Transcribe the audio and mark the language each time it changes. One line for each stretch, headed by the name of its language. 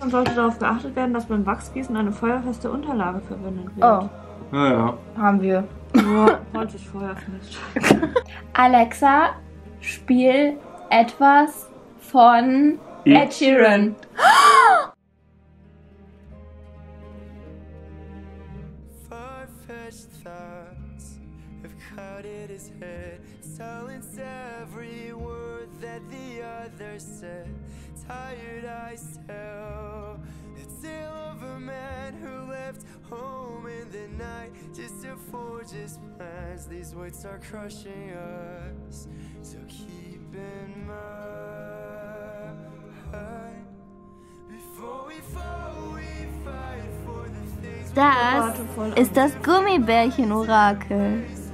German: Man sollte darauf geachtet werden, dass beim Wachsgießen eine feuerfeste Unterlage verwendet wird. Oh. Ja. Haben wir. Wollte ich vorher nicht. Alexa, spiel etwas von Ed Sheeran.
English: Far-fetched thoughts have clouded his head. Silence every word that the other said. Tired I still. Still of a man who left home in the night just to forge his plans. These weights are crushing us, so keep in mind. Before we fall, we fight for the things.
German: Das ist das Gummibärchen-Orakel.